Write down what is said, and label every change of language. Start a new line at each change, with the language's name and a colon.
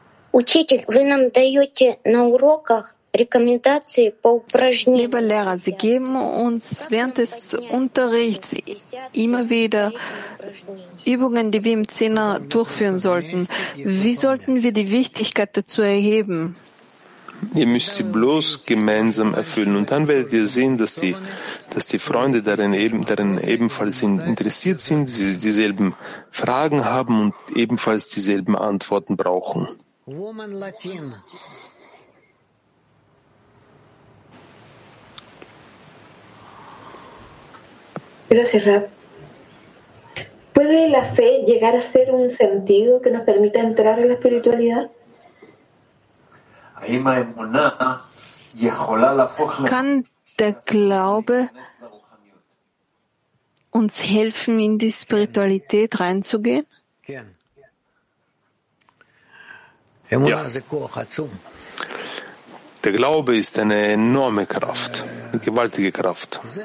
Russian: Учитель, вы нам даете на уроках рекомендации по упражнениям.
German: Lieber Lehrer, Sie geben uns während des Unterrichts immer wieder Übungen, die wir im Zehner durchführen sollten. Wie sollten wir die Wichtigkeit dazu erheben? Ihr müsst sie bloß gemeinsam erfüllen und dann werdet ihr sehen, dass die Freunde darin ebenfalls interessiert sind, sie dieselben Fragen haben und ebenfalls dieselben Antworten brauchen.
English: Woman Latin.
Spanish: Gracias, Rab. ¿Puede la fe llegar a ser un sentido que nos permita entrar en la espiritualidad?
German: Kann der Glaube uns helfen, in die Spiritualität reinzugehen? Ja. Der Glaube ist eine enorme Kraft, eine gewaltige Kraft.